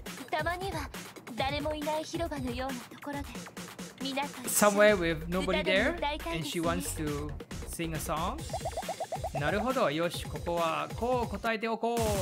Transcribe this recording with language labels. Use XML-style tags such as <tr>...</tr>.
<ja>たまには誰もいない広場のようなところで、皆さん。</ja> <en>Somewhere with nobody there, and she wants to sing a song.</en> <ja>なるほど、よし、ここはこう答えておこう。</ja>